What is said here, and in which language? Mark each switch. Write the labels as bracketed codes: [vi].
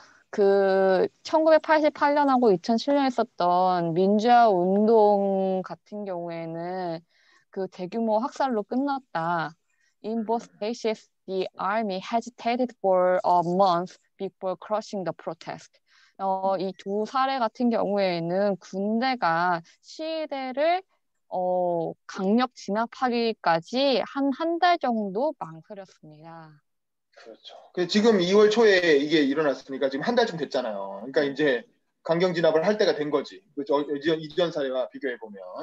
[ko] 그 1988년하고 2007년 했었던 민주화 운동 같은 경우에는 그 대규모 학살로 끝났다. [en] In both cases, the army hesitated for a month before crushing the protest. [ko] 이 두 사례 같은 경우에는 군대가 시위대를 강력 진압하기까지 한 달 정도 망설였습니다. 그렇죠. 지금 2월 초에 이게 일어났으니까 지금 한 달쯤 됐잖아요. 그러니까 이제 강경 진압을 할 때가 된 거지. 그렇죠? 이전 사례와 비교해 보면.